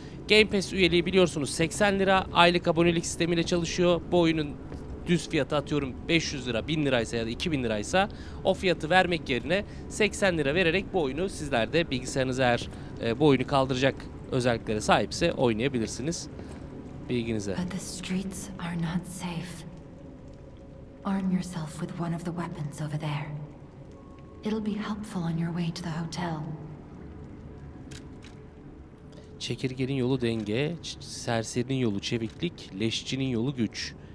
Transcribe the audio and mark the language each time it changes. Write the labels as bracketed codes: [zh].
[tr] Game Pass üyeliği biliyorsunuz 80 lira, aylık abonelik sistemiyle çalışıyor. Bu oyunun düz fiyatı atıyorum 500 lira, 1000 liraysa ya da 2000 liraysa o fiyatı vermek yerine 80 lira vererek bu oyunu sizler de bilgisayarınız eğer bu oyunu kaldıracak özelliklere sahipse oynayabilirsiniz. Bilginize. [en] But the streets are not safe. Arm yourself with one of the weapons over there. It'll be helpful on your way to the hotel. [tr] Çekirgenin yolu denge, serserinin yolu çeviklik, leşçinin yolu güç.